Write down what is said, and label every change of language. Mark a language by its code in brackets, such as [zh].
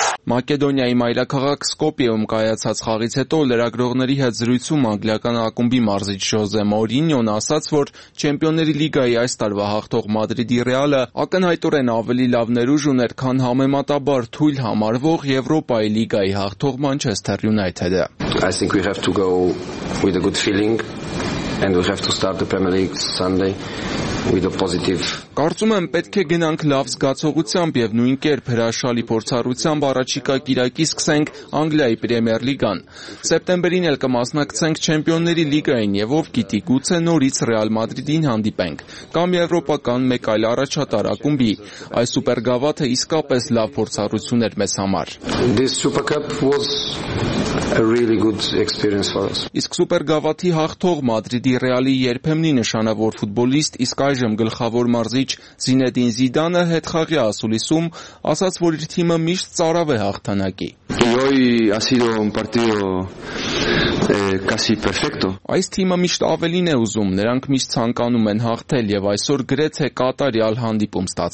[hy] Մակեդոնիայի մայրաքաղաք Սկոպիեում կայացած խաղից հետո լրագրողների հետ զրույցում անգլիական ակումբի մարզիչ Ժոզե Մորինյոն ասաց, որ Չեմպիոնների լիգայի այս տարվա հաղթող Մադրիդի Ռեալը ակնհայտորեն ավելի լավ ներուժ ուներ, քան համեմատաբար թույլ համարվող Եվրոպայի լիգայի հաղթող Մանչեսթեր Յունայթեդը։ [en] I think we have to go with a good feeling and we have to start the Premier League Sunday with a positive. [hy] Կարծում եմ, պետք է գնանք լավ զգացողությամբ եւ նույն կերպ հրաշալի փորձառությամբ առաջիկա կիրակի սկսենք Անգլիայի Պրեմիեր լիգան։ Սեպտեմբերին էլ կմասնակցենք Չեմպիոնների լիգային եւ ով գիտի, գուցե նորից Ռեալ Մադրիդին հանդիպենք կամ եվրոպական մեկ այլ առաջատար ակումբի։ Այս Սուպերգավաթը իսկապես լավ փորձառություն էր մեզ համար։ [en] This Super Cup was a really good experience for us. [hy] Իսկ Սուպերգավաթի հաղթող Մադրիդի Ռեալի երբեմնի նշանավոր ֆուտբոլիստ, իսկ այժմ գլխավոր մարզիչ Զինեդին Զիդանը հետ խաղի ասուլիսում ասաց, որ իր թիմը միշտ ծարավ է հաղթանակի։ Այս թիմը միշտ ավելին է ուզում, նրանք միշտ ցանկանում են հաղթել եւ այսօր գրեթե կատարյալ հանդիպում